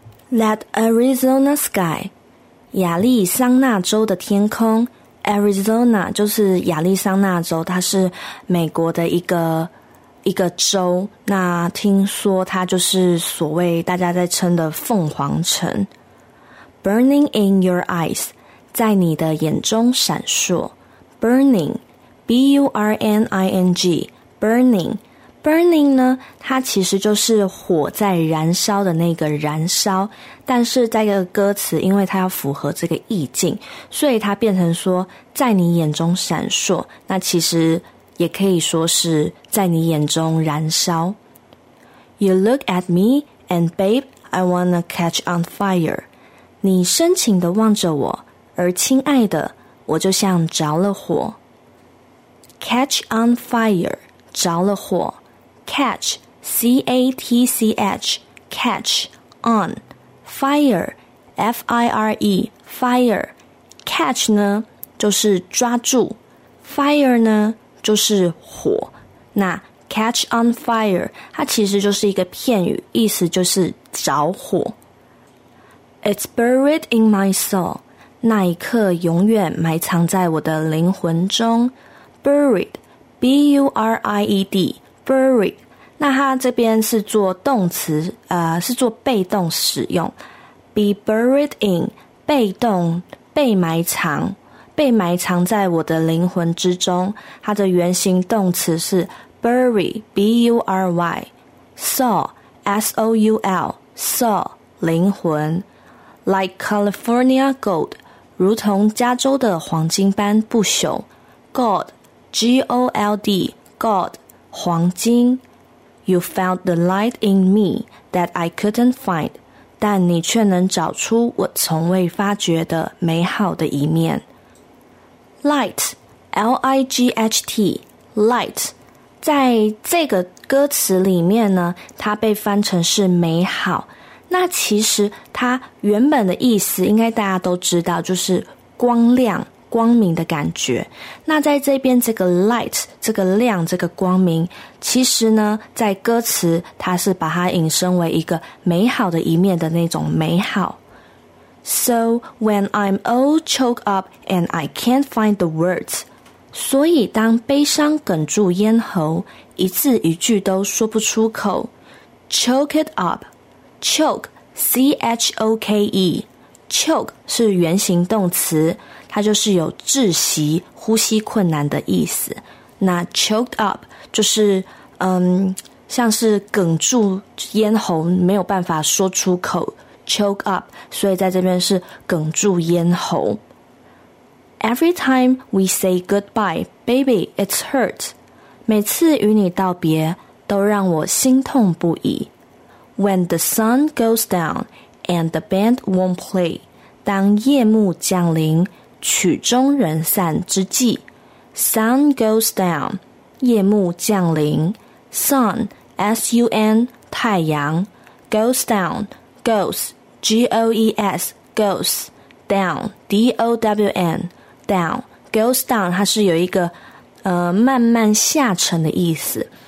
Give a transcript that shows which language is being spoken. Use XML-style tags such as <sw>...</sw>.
<en>That Arizona sky，</en> <zh>亚利桑那州的天空。 Arizona 就是亚利桑那州，它是美国的一个州，那听说它就是所谓大家在称的凤凰城。</zh> <en>Burning in your eyes，</en> <zh>在你的眼中闪烁。 Burning， B-U-R-N-I-N-G， Burning， Burning 呢，它其实就是火在燃烧的那个燃烧，但是在这个歌词因为它要符合这个意境，所以它变成说在你眼中闪烁，那其实也可以说是在你眼中燃烧。</zh> <en>You look at me and babe I wanna catch on fire，</en> <zh>你深情地望着我，而亲爱的，我就像着了火。</zh> <en>Catch on fire，</en> <zh>着了火。</zh> <en>Catch， C-A-T-C-H， Catch on fire， F-I-R-E， Fire。</en> <zh>Catch 呢就是抓住， Fire 呢就是火，那 Catch on fire 它其实就是一个片语，意思就是着火。</zh> <en>It's buried in my soul，</en> <zh>那一刻永远埋藏在我的灵魂中。 Buried， B-U-R-I-E-D， Buried， 那它这边是做动词，是做被动使用。 Be buried in， 被动，被埋藏，被埋藏在我的灵魂之中。它的原形动词是 bury， B-U-R-Y， soul， S-O-U-L， soul， 灵魂。</zh> <en>Like California gold，</en> <zh>如同加州的黄金般不朽。</zh> <en>Gold， G-O-L-D， Gold，</en> <zh>黄金。</zh> <en>You found the light in me that I couldn't find，</en> <zh>但你却能找出我从未发觉的美好的一面。 Light， L-I-G-H-T， Light， 在这个歌词里面呢，它被翻成是美好，那其实它原本的意思应该大家都知道，就是光亮光明的感觉。那在这边这个 light 这个亮这个光明，其实呢在歌词它是把它引申为一个美好的一面的那种美好。</zh> <en>So when I'm all choked up and I can't find the words，</en> <zh>所以当悲伤哽住咽喉，一字一句都说不出口， choke it up， choke C-H-O-K-E， choke 是原形动词，它就是有窒息、呼吸困难的意思。那 choked up 就是像是哽住咽喉，没有办法说出口， choke up， 所以在这边是哽住咽喉。</zh> <en>Every time we say goodbye, baby, it's hurt，</en> <zh>每次与你道别都让我心痛不已。</zh> <en>When the sun goes down and the band won't play，</en> <zh>当夜幕降临曲终人散之际，</zh> <en>Sun goes down， 夜幕降临， Sun S-U-N 太阳， Goes down， Goes G-O-E-S， Goes down D-O-W-N， Down Goes down， 它是有一个慢慢下沉的意思。</en>